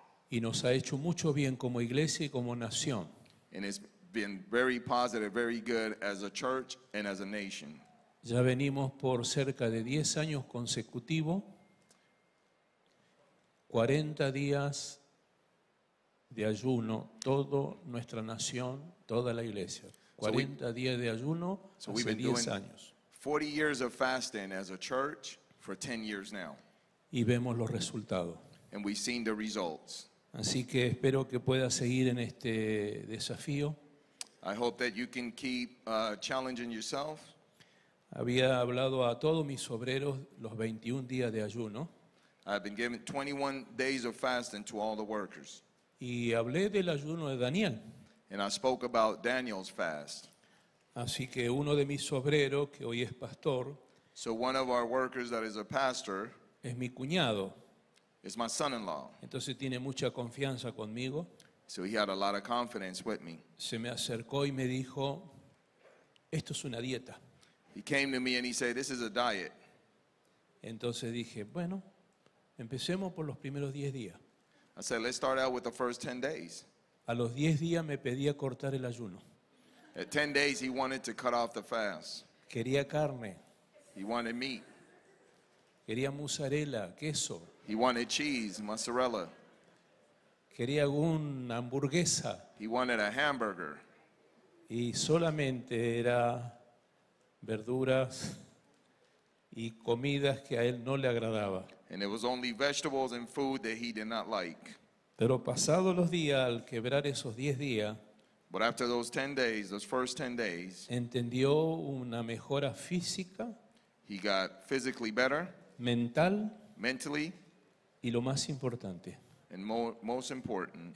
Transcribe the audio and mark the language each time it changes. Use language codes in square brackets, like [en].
[es] Y nos ha hecho mucho bien como iglesia y como nación. [en] And it's been very positive, very good as a church and as a nation. [es] Ya venimos por cerca de 10 años consecutivos, 40 días de ayuno, toda nuestra nación, toda la iglesia. 40 días de ayuno hace 10 años. [en] 40 years of fasting as a church for 10 years now. [es] Y vemos los resultados. [en] And we've seen the results. [es] Así que espero que pueda seguir en este desafío. [en] I hope that you can keep challenging yourself. [es] Había hablado a todos mis obreros los 21 días de ayuno. [en] I've been giving 21 days of fasting to all the workers. [es] Y hablé del ayuno de Daniel. [en] And I spoke about Daniel's fast. [es] Así que uno de mis obreros, que hoy es pastor, [en] so one of our workers that is a pastor, [es] es mi cuñado, [en] is my son-in-law. [es] Entonces tiene mucha confianza conmigo. [en] So he had a lot of confidence with me. [es] Se me acercó y me dijo, esto es una dieta. [en] He came to me and he said, this is a diet. [es] Entonces dije, bueno, empecemos por los primeros 10 días. [en] I said, let's start out with the first 10 days. [es] A los 10 días me pedía cortar el ayuno. [en] At 10 days, he wanted to cut off the fast. [es] Quería carne. [en] He wanted meat. [es] Quería mozzarella, queso. [en] He wanted cheese, mozzarella. [es] Quería alguna hamburguesa. [en] He wanted a hamburger. [es] Y solamente era verduras y comidas que a él no le agradaba. [en] And it was only vegetables and food that he did not like. [es] Pero pasados los días, al quebrar esos 10 días, [en] but after those 10 days, those first 10 days, [es] entendió una mejora física, [en] he got physically better, [es] mental, [en] mentally, [es] y lo más importante, [en] and most important,